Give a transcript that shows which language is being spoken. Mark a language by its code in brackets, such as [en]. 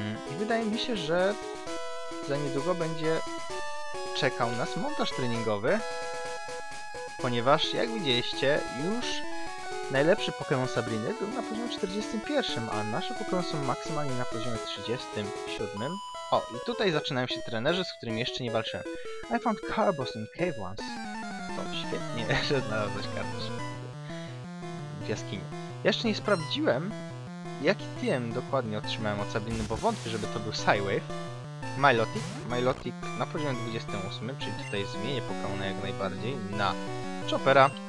[pl] I wydaje mi się, że za niedługo będzie czekał nas montaż treningowy. Ponieważ, jak widzieliście, już najlepszy Pokémon Sabriny był na poziomie 41, a nasze Pokémon są maksymalnie na poziomie 37. O, i tutaj zaczynają się trenerzy, z którymi jeszcze nie walczyłem. [en] I found Carbos in Cave once. [pl] To świetnie, że znalazłeś Carbos w jaskini. Jeszcze nie sprawdziłem, jaki TM dokładnie otrzymałem od Sabriny, bo wątpię, żeby to był Psywave. Milotic. Milotic na poziomie 28, czyli tutaj zmienię Pokémona jak najbardziej na Choppera.